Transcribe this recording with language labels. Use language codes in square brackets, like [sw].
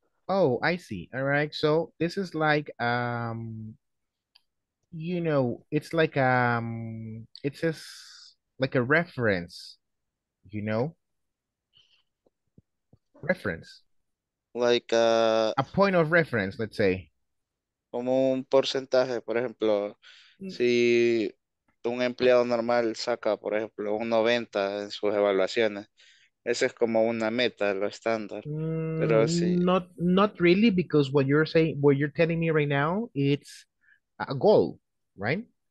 [en] Oh, I see. All right. So this is like, you know, it's like, it says like a reference, you know, reference, like a point of reference, let's say. [es] Como un porcentaje, por ejemplo, si un empleado normal saca, por ejemplo, un 90 en sus evaluaciones. Ese es como una meta, lo estándar. Pero sí. [en] Not really, because what you're saying, what you're telling me right now, it's a goal, right?